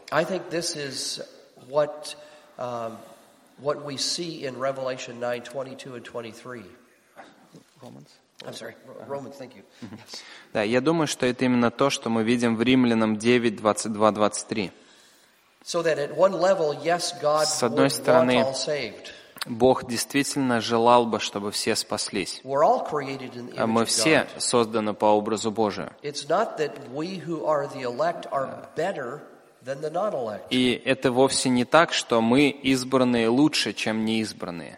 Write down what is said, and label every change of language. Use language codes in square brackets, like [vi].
[en] I think this is what we see in Revelation 9:22 and 23. Romans? I'm sorry, Romans, thank you. [ru] Да, я думаю, что это именно то, что мы видим в Римлянам 9:22-23. [en] So that at one level, yes, God would want all saved. [ru] Бог действительно желал бы, чтобы все спаслись. Мы все созданы по образу Божию. И это вовсе не так, что мы избранные лучше, чем неизбранные.